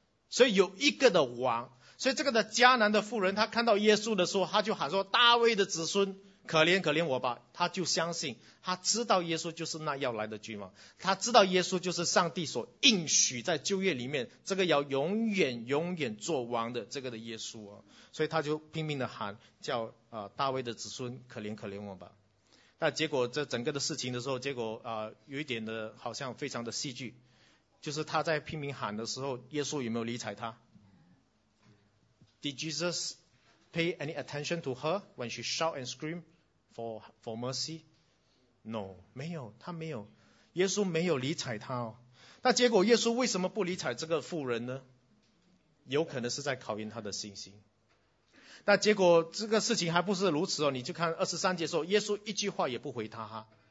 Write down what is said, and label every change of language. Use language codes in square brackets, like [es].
[zh] 所以有一个的王，所以这个的迦南的妇人他看到耶稣的时候，他就喊说大卫的子孙可怜可怜我吧，他就相信，他知道耶稣就是那要来的君王，他知道耶稣就是上帝所应许在旧约里面这个要永远永远做王的这个的耶稣，所以他就拼命的喊叫大卫的子孙可怜可怜我吧。那结果这整个的事情的时候，结果有一点的好像非常的戏剧，就是他在拼命喊的时候，耶稣有没有理睬他？ [en] Did Jesus pay any attention to her when she shout and scream for mercy? [zh] No, 没有，他没有，耶稣没有理睬他哦。那结果耶稣为什么不理睬这个妇人呢？有可能是在考验他的信心。那结果这个事情还不是如此哦，你就看23节说，耶稣一句话也不回他哈。